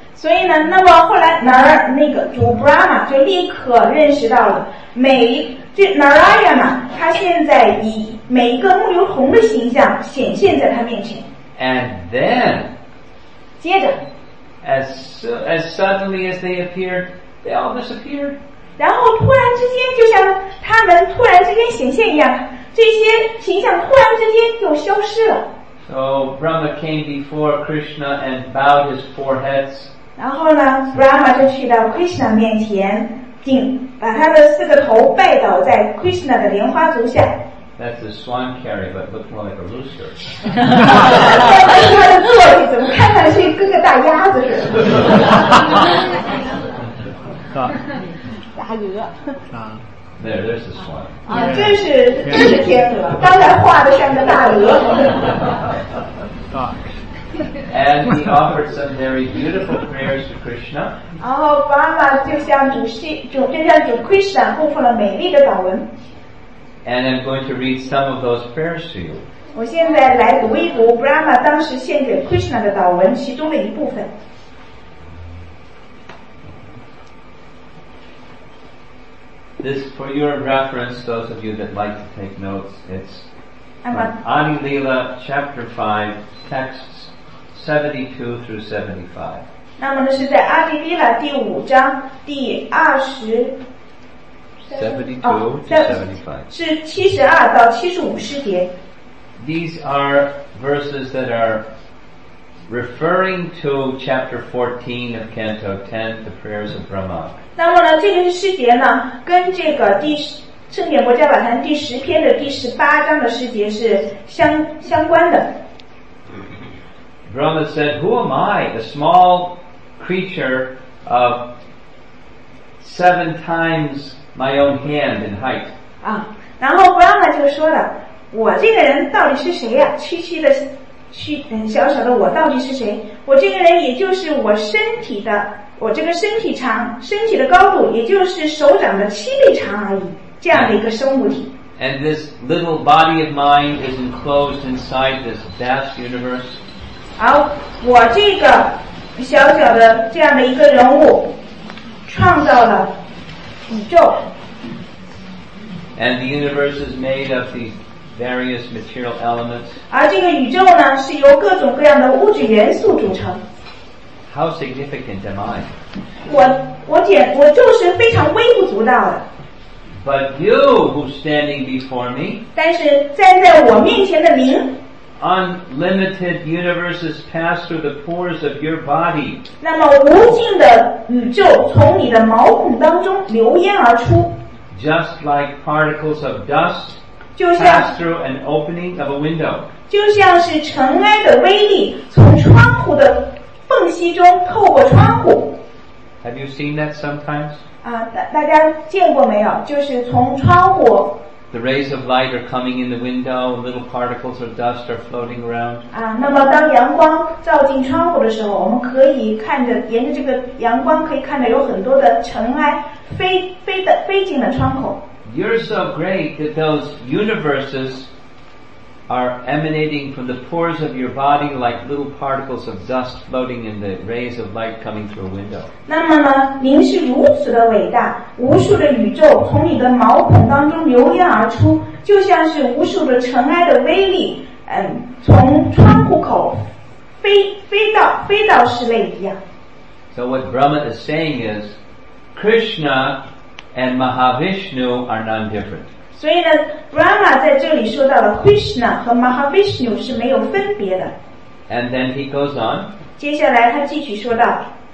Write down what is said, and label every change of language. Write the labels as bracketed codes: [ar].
[zh] 所以呢，那么后来那个主 Brahma 就立刻认识到了每。这 Narayana 他现在以每一个牧牛童的形象显现在他面前。 [en] And then, [zh] 接着 [en] as suddenly as they appeared, they all disappeared. [zh] 然后突然之间，就像他们突然之间显现一样，这些形象突然之间就消失了。 [en] So Brahma came before Krishna and bowed his foreheads. [zh] 然后呢 ，Brahma 就去到 Krishna 面前。把他的四个头拜倒在 Krishna 的莲花足下。 [en] That's a swan carry, but looks more like a rooster. [zh] 他的坐骑怎么看上去跟个大鸭子似的？大鹅。 [en] There's a swan. [zh] 啊，这是天鹅，刚才画的像个大鹅。 [en] God. And he offered some very beautiful prayers to Krishna. [zh] 然后 Brahma 就向主 Krishna 供奉了美丽的祷文。 [en] And I'm going to read some of those prayers to you. [zh] 我现在来读一读 Brahma 当时献给 Krishna 的祷文其中的一部分。 [en] This for your reference, those of you that like to take notes, it's Adi Lila chapter 5 texts 72-75. [zh] 那么呢，是在阿迪利拉第五章第二十。 [en] 72-75. [zh] 是72-75诗节。 [en] These are verses that are referring to chapter 14 of Canto 10, the prayers of Brahma. [zh] 那么呢，这个诗节呢，跟这个第十圣典国家宝坛第十篇的第十八章的诗节是相关的。 [en] Brahma said, "Who am I, a small creature of seven times my own hand in height?" [zh] 啊，然后 Brahma 就说了，我这个人到底是谁呀？小小的我到底是谁？我这个人也就是我这个身体长，身体的高度也就是手掌的七倍长而已。这样的一个生物体。 [en] And this little body of mine is enclosed inside this vast universe. [zh] 好，我这个小小的这样的一个人物创造了宇宙。 [en] And the universe is made of these various material elements. [zh] 而这个宇宙呢，是由各种各样的物质元素组成。 [en] How significant am I? [zh] 我就是非常微不足道的。 [en] But you who's standing before me, [zh] 但是站在我面前的您 [en] unlimited universes pass through the pores of your body. [zh] 那么无尽的宇宙从你的毛孔当中流烟而出 [en] just like particles of dust pass through an opening of a window. [zh] 就像是尘埃的微粒从窗户的缝隙中透过窗户 [en] Have you seen that sometimes? [zh] 大家见过没有？就是从窗户。 [en] The rays of light are coming in the window. Little particles of dust are floating around. [zh] 那么当阳光照进窗户的时候，我们可以看着，沿着这个阳光可以看到有很多的尘埃飞进了窗口。 [en] You're so great that those universes are emanating from the pores of your body like little particles of dust floating in the rays of light coming through a window. [zh] 那么呢，灵是如此的伟大，无数的宇宙从你的毛孔当中流淌而出，就像是无数的尘埃的微粒，从窗户口飞到室内一样。 [en] So what Brahma is saying is, Krishna and Mahavishnu are none different. [zh] 所以呢 ，Brahma 在这里说到了 Krishna 和 Mahavishnu 是没有分别的。 [en] And then he goes on. [zh] 接下来他继续说道。